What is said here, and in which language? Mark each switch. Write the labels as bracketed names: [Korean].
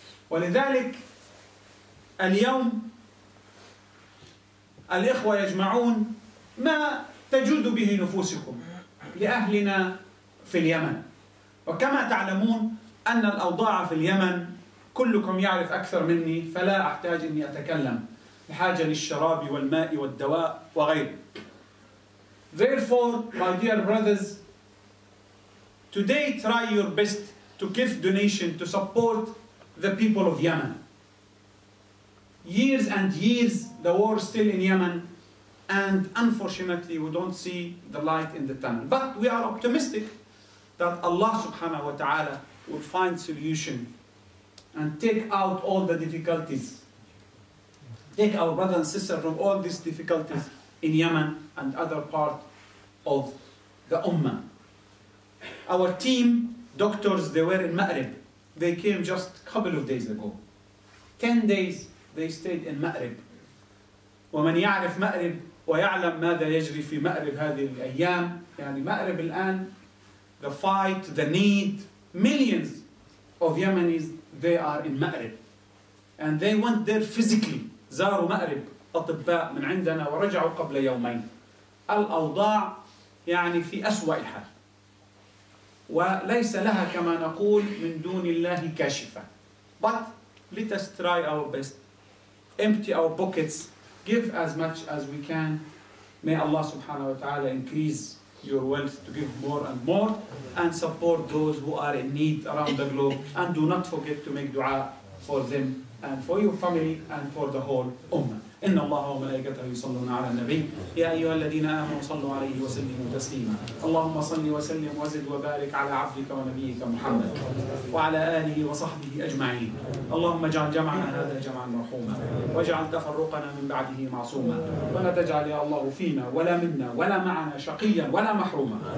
[Arabic] ولذلك اليوم الإخوة يجمعون ما تجود به نفوسكم لأهلنا في اليمن. وكما تعلمون أن الأوضاع في اليمن كلكم يعرف أكثر مني، فلا أحتاج أني أتكلم بحاجة للشراب والماء والدواء وغيره. [English] Therefore, my dear brothers, today try your best to give donation to support the people of Yemen. Years and years, the war is still in Yemen, and unfortunately, we don't see the light in the tunnel. But we are optimistic that Allah subhanahu wa ta'ala will find solution and take out all the difficulties. Take our brother and sister from all these difficulties in Yemen and other parts of the Ummah. Our team, doctors, they were in Maghrib. They came just a couple of days ago. 10 days they stayed in Maghrib. [Arabic] ومن يعرف مأرب ويعلم ماذا يجري في مأرب هذه الأيام. يعني مأرب الآن, [English] the fight, the need, millions of Yemenis, they are in Maghrib. And they went there physically. [Arabic] زاروا مأرب أطباء من عندنا ورجعوا قبل يومين. الأوضاع يعني في أسوأ حال. وليس لها كما نقول من دون الله كاشفة. [English] But let us try our best. Empty our pockets. Give as much as we can. May Allah subhanahu wa ta'ala increase your wealth to give more and more and support those who are in need around the globe. And do not forget to make dua for them and for your family and for the whole ummah. [Arabic] إن الله وملائكته يصلون على النبي يا أيها الذين آمنوا صلوا عليه وسلموا تسليما. اللهم صل وسلم وزد وبارك على عبدك ونبيك محمد وعلى آله وصحبه أجمعين. اللهم اجعل جمعنا هذا جمعا مرحوما، واجعل تفرقنا من بعده معصوما، ولا تجعل يا الله فينا ولا منا ولا معنا شقيا ولا محروما.